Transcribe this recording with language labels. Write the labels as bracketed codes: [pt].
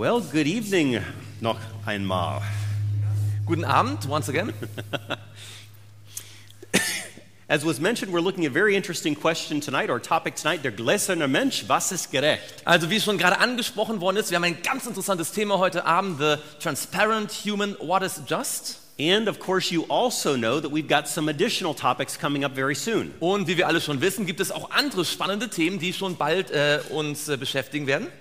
[en] good evening [de] noch einmal. Guten Abend, [en] once again. As was mentioned, we're looking at a very interesting question tonight, or topic tonight, [de] der gläserne Mensch, was ist gerecht? Also wie schon gerade angesprochen worden ist, wir haben ein ganz interessantes Thema heute Abend, [en] the transparent human, what is just? And of course you also know that we've got some additional topics coming up very soon. [de] Und wie wir alle schon wissen, gibt es auch andere spannende Themen, die schon bald uns beschäftigen werden.